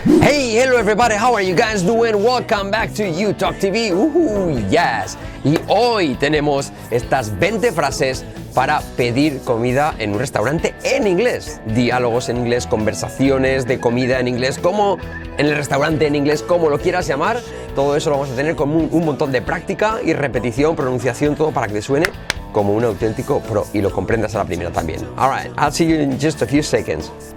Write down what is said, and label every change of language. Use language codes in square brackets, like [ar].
[en] Hey, hello everybody, how are you guys doing? Welcome back to UTalk TV. Yes. [es] Y hoy tenemos estas 20 frases para pedir comida en un restaurante en inglés. Diálogos en inglés, conversaciones de comida en inglés, como en el restaurante en inglés, como lo quieras llamar. Todo eso lo vamos a tener con un montón de práctica y repetición, pronunciación, todo para que te suene como un auténtico pro y lo comprendas a la primera también. [en] All right, I'll see you in just a few seconds.